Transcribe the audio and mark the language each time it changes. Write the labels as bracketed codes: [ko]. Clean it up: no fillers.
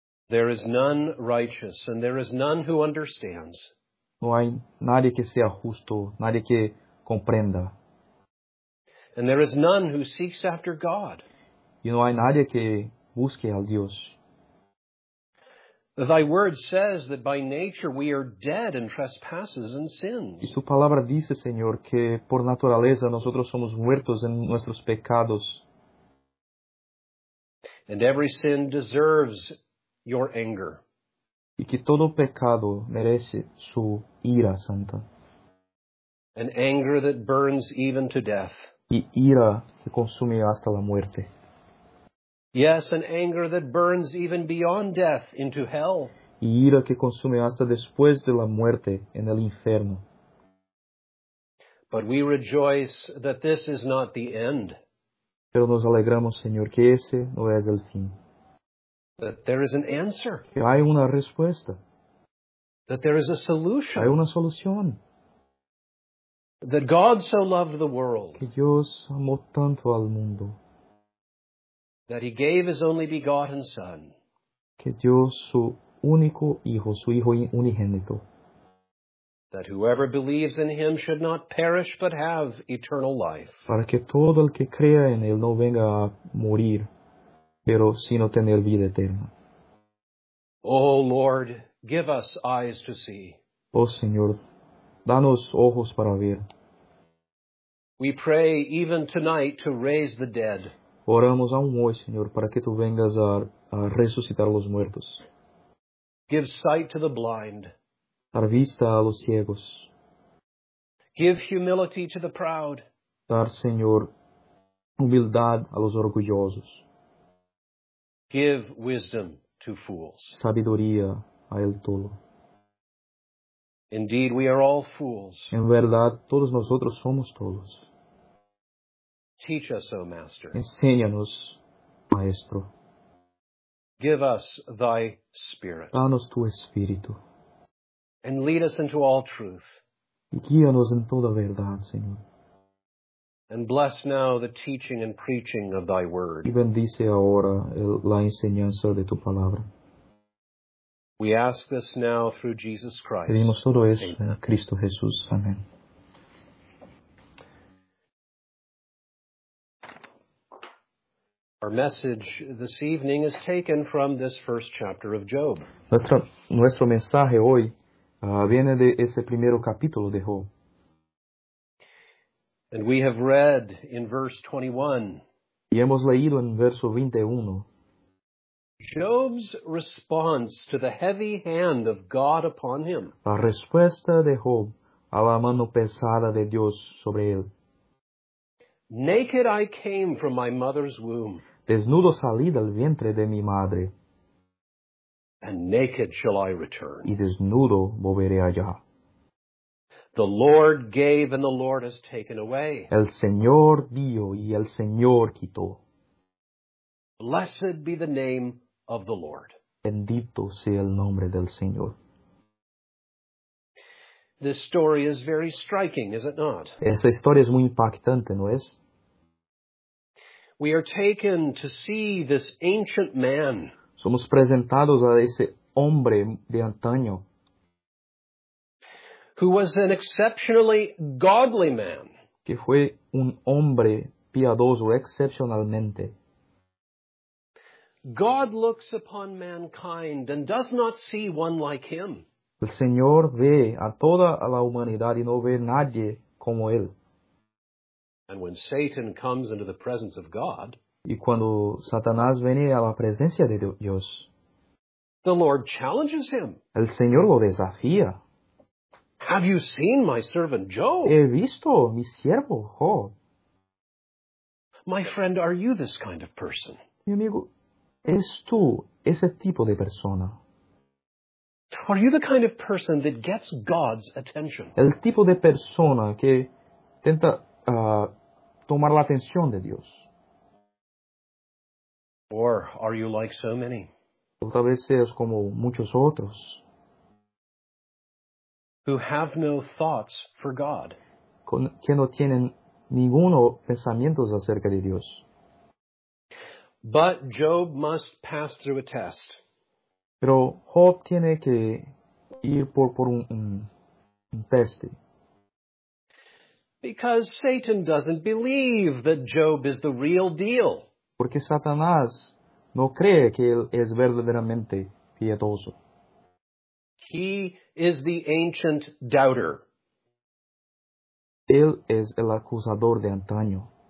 [en] There is none righteous, and there is none who understands. [es] No hay nadie que sea justo, nadie que comprenda. [en] And there is none who seeks after God. [es] Y no hay nadie que busque al Dios. [en] Thy word says that by nature we are dead in trespasses and sins. [es] Y tu palabra dice, Señor, que por naturaleza nosotros somos muertos en nuestros pecados. [en] And every sin deserves your anger. [es] Y que todo pecado merece su ira santa. [en] An anger that burns even to death. [es] Y ira que consume hasta la muerte. [en] Yes, an anger that burns even beyond death into hell. [es] Y ira que consume hasta después de la muerte en el infierno. [en] But we rejoice that this is not the end. [es] Pero nos alegramos, Señor, que ese no es el fin. [en] That there is an answer. [es] Que hay una respuesta. [en] That there is a solution. [es] Hay una solución. [en] That God so loved the world. [es] Que Dios amó tanto al mundo. [en] That he gave his only begotten son. [es] Que dio su único hijo, su hijo unigénito. [en] That whoever believes in him should not perish but have eternal life. [es] Para que todo el que crea en él no venga a morir, pero sino tener vida eterna. [en] Oh Lord, give us eyes to see. [es] Oh Señor, danos ojos para ver. [en] We pray even tonight to raise the dead. [es] Oramos aún hoy, Señor, para que Tú vengas a resucitar a los muertos. [en] Give sight to the blind. [es] Dar vista a los ciegos. [en] Give humility to the proud. [es] Dar, Señor, humildad a los orgullosos. [en] Give wisdom to fools. [es] Sabiduría a el tolo. [en] Indeed, we are all fools. [es] En verdad, todos nosotros somos tolos. [en] Teach us, O Master. [es] Enséñanos, Maestro. [en] Give us Thy Spirit. [es] Danos Tu Espíritu. [en] And lead us into all truth. [es] Y guíanos en toda verdad, Señor. [en] And bless now the teaching and preaching of Thy Word. [es] Y bendice ahora la enseñanza de Tu Palabra. [en] We ask this now through Jesus Christ. [es] Pedimos todo esto en Cristo Jesús. Amén. [en] Our message this evening is taken from this first chapter of Job. [es] Nuestro mensaje hoy viene de ese primero capítulo de Job. [en] And we have read in verse 21. [es] Y hemos leído en verso 21. [en] Job's response to the heavy hand of God upon him. [es] La respuesta de Job a la mano pesada de Dios sobre él. [en] Naked I came from my mother's womb. [es] Desnudo salí del vientre de mi madre. [en] And naked shall I return. [es] Y desnudo volveré allá. [en] The Lord gave and the Lord has taken away. [es] El Señor dio y el Señor quitó. [en] Blessed be the name of the Lord. [es] Bendito sea el nombre del Señor. [en] This story is very striking, is it not? [es] Esa historia es muy impactante, ¿no es? [en] We are taken to see this ancient man. [es] Somos presentados a ese hombre de antaño. [en] Who was an exceptionally godly man. [es] Que fue un hombre piadoso excepcionalmente. [en] God looks upon mankind and does not see one like him. [es] El Señor ve a toda la humanidad y no ve nadie como él. [en] And when Satan comes into the presence of God, [es] y cuando Satanás viene a la presencia de Dios, [en] the Lord challenges him. [es] El Señor lo desafía. [en] Have you seen my servant Job? [es] He visto mi siervo Job. [en] My friend, are you this kind of person? [es] Mi amigo, ¿es tú ese tipo de persona? [en] Are you the kind of person that gets God's attention? [es] El tipo de persona que intenta tomar la atención de Dios. [en] Or are you like so many? [es] O tal vez seas como muchos otros. [en] Who have no thoughts for God. [es] Que no tienen ninguno pensamientos acerca de Dios. [en] But Job must pass through a test. [es] Pero Job tiene que ir por un teste. [en] Because Satan doesn't believe that Job is the real deal. [es] Porque Satanás no cree que él es verdaderamente piadoso. [en] He is the ancient doubter. [es] Él es el acusador de antaño.